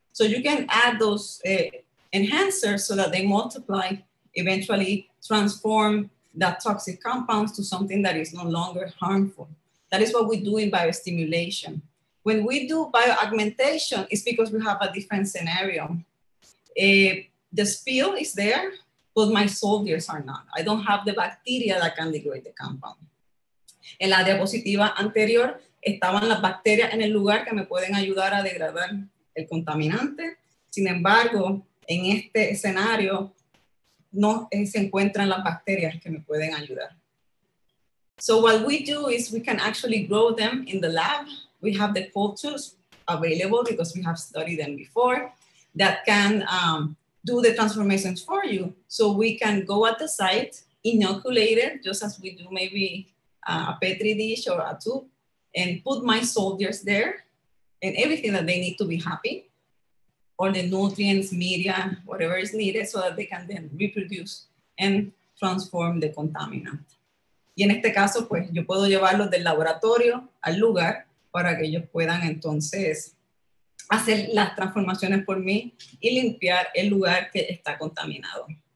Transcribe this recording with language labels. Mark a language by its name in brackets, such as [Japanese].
[English] So you can add those enhancers so that they multiply, eventually transform that toxic compounds to something that is no longer harmful. That is what we do in biostimulation. When we do bioaugmentation, it's because we have a different scenario. The spill is there, but my soldiers are not. I don't have the bacteria that can degrade the compound. [Spanish] En la diapositiva anterior, estaban las bacterias en el lugar que me pueden ayudar a degradar el contaminante. Sin embargo, en este escenario, no se encuentran las bacterias que me pueden ayudar. [English] So what we do is we can actually grow them in the lab. We have the cultures available because we have studied them before that can do the transformations for you. So we can go at the site, inoculate it, just as we do maybe a Petri dish or a tube, and put my soldiers there and everything that they need to be happy, or the nutrients, media, whatever is needed so that they can then reproduce and transform the contaminant. [Spanish] Y en este caso, pues, yo puedo llevarlos del laboratorio al lugar para que ellos puedan entonces hacer las transformaciones por mí y limpiar el lugar que está contaminado.